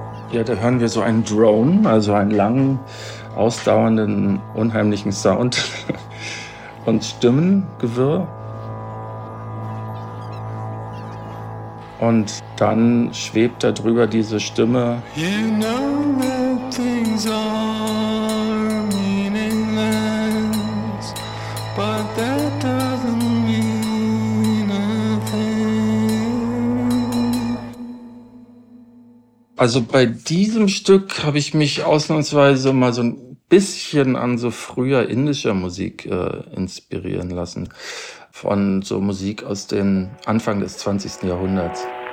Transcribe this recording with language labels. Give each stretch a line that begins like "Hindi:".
German: Ja, da hören wir so einen Drone, also einen langen, ausdauernden, unheimlichen Sound und Stimmengewirr. Und dann schwebt da drüber diese Stimme.
English: You know that things are meaningless, but that doesn't mean a thing.
German: Also bei diesem Stück habe ich mich ausnahmsweise mal so ein bisschen an so früher indischer Musik inspirieren lassen. Von so Musik aus den Anfang des 20. Jahrhunderts.